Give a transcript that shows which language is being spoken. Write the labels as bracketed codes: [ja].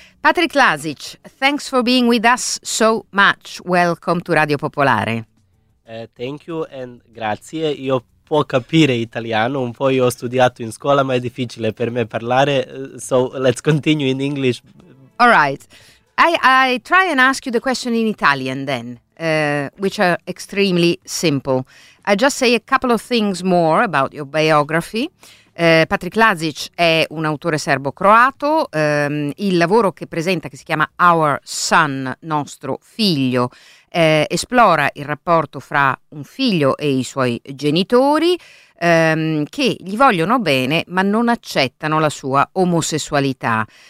[en] Patrick Lazic, thanks for being with us so much, welcome to Radio Popolare. Thank you and grazie. [it] Io può capire italiano, un po' io ho studiato in scuola, ma è difficile per me parlare, [en] so let's continue in English. All right. I try and ask you the question in Italian then, which are extremely simple. I just say a couple of things more about your biography. [it] Patrick Lazic è un autore serbo-croato, il lavoro che presenta, che si chiama Our Son, nostro figlio, esplora il rapporto fra un figlio e i suoi genitori che gli vogliono bene ma non accettano la sua omosessualità.